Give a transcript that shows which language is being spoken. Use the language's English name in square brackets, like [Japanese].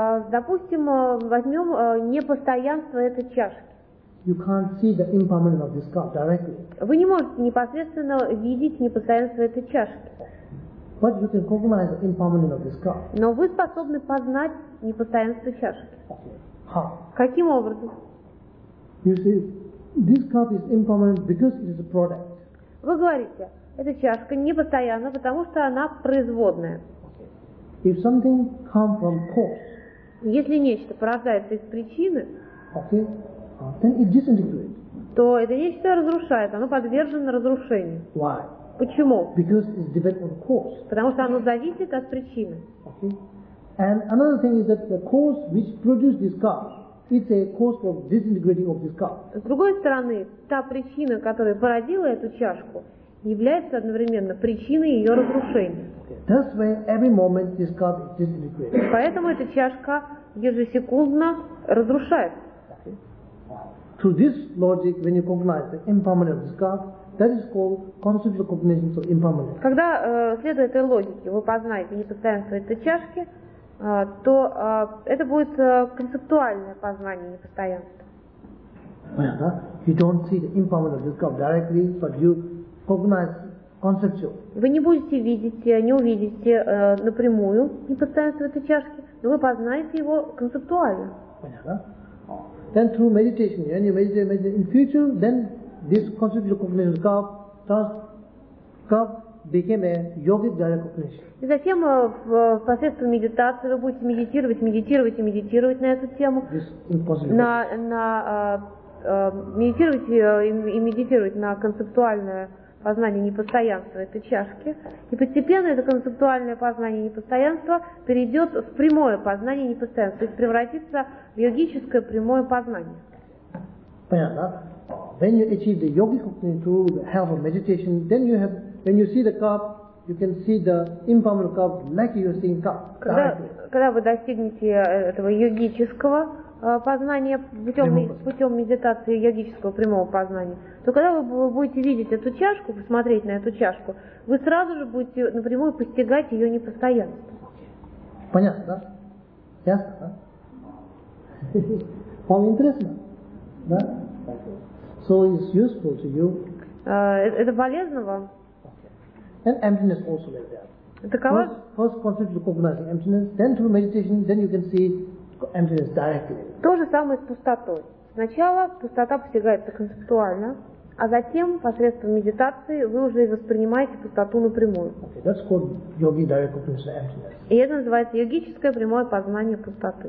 [Russian] Допустим, возьмем непостоянство этой чашки. [English] You can't see the impermanence of this cup directly. [Russian] Вы не можете непосредственно видеть непостоянство этой чашки. [English] But you can recognize the impermanence of this cup. [Russian] Но вы способны познать непостоянство чашки. [English] How? [Russian] Каким образом? [English] You see, this cup is impermanent because it is a product. [Russian] Вы говорите, эта чашка непостоянна, потому что она производная. [English] If something comes from cause, [Russian] если нечто порождается из причины, [English] okay, then it disintegrates. [Russian] То это нечто разрушает, оно подвержено разрушению. [English] Why? [Russian] Почему? [English] Because it's dependent on cause. [Russian] Потому что оно зависит от причины. [English] Okay. And another thing is that the cause which produced this car, it's a cause for disintegrating of this car. [Russian] С другой стороны, та причина, которая породила эту чашку, является одновременно причиной ее разрушения. [English] That's why every moment this cup is disintegrated. [Russian] Поэтому эта чашка ежесекундно разрушается. [English] Okay. Through this logic, when you cognize the impermanence of this cup, that is called conceptual cognition of impermanence. [Russian] Когда следуя этой логике, вы познаете непостоянство этой чашки, то это будет концептуальное познание непостоянства. [English] Okay. [Russian] Понятно? [English] You don't see the impermanence itself directly, but you cognize conceptual. [Russian] Вы не будете видеть, не увидите напрямую непостоянство этой чашки, но вы познаете его концептуально. Понятно? [English] Then through meditation, when you meditate, meditate in future, then this conceptual cognition itself, thus, itself became a yogic direct cognition. [Russian] И затем впоследствии медитации вы будете медитировать, медитировать и медитировать на эту тему. Медитировать и медитировать на концептуальное познание непостоянства этой чашки. И постепенно это концептуальное познание непостоянства перейдет в прямое познание непостоянства, то есть превратится в йогическое прямое познание. Понятно? [English] When you achieve the yogic cognition through the help of meditation, then you have, when you see the cup, you can see the impermanent cup like you are seeing cup. [Russian] Когда вы достигнете этого йогического познание путем медитации йогического прямого познания, то когда вы будете видеть эту чашку, посмотреть на эту чашку, вы сразу же будете напрямую постигать ее непостоянство. Понятно, да? Ясно, да? Вам интересно? Да? [English] So it's useful to you. [Russian] Это полезно вам? [English] And emptiness also like that. [Russian] Такова? [English] First concept of recognizing emptiness, then through meditation, then you can see emptiness directly. [Russian] То же самое с пустотой. Сначала пустота постигается концептуально, а затем посредством медитации вы уже воспринимаете пустоту напрямую. [English] Okay, that's called yogi direct cognition of emptiness. [Russian] И это называется йогическое прямое познание пустоты.